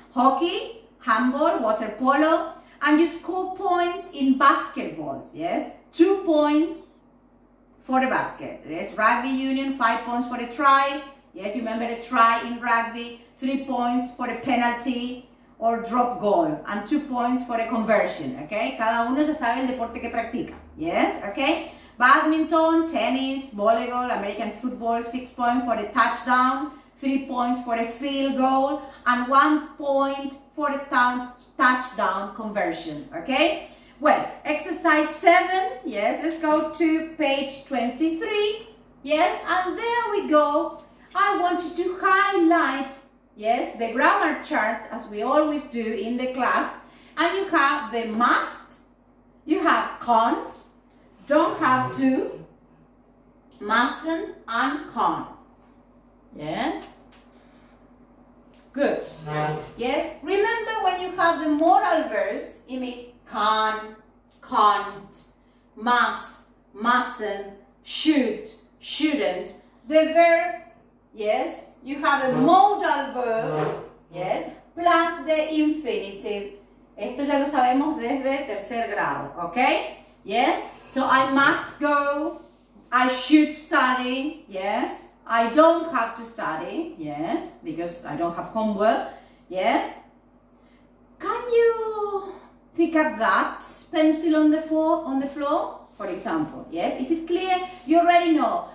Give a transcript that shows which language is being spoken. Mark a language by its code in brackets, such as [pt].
[en] Hockey, handball, water polo, and you score points in basketball, yes? 2 points for a basket, yes? Rugby union, 5 points for a try, yes? You remember a try in rugby, 3 points for a penalty or drop goal, and 2 points for a conversion, okay? [es] Cada uno ya sabe el deporte que practica, yes? [en] Okay? Badminton, tennis, volleyball, American football, 6 points for a touchdown, 3 points for a field goal, and 1 point for a touchdown conversion, okay? Well, exercise 7, yes, let's go to page 23, yes, and there we go. I want you to highlight, yes, the grammar chart, as we always do in the class, and you have the must, you have can't, don't have to, mustn't, and can't. Yes? Good. Yes? Remember when you have the modal verbs, you mean can, can't, must, mustn't, should, shouldn't. The verb, yes, you have a modal verb, yes, plus the infinitive. [es] Esto ya lo sabemos desde tercer grado, okay? [en] Yes, so I must go, I should study, yes, I don't have to study, yes, because I don't have homework, yes. Can you pick up that pencil on the floor, for example, yes? Is it clear? You already know.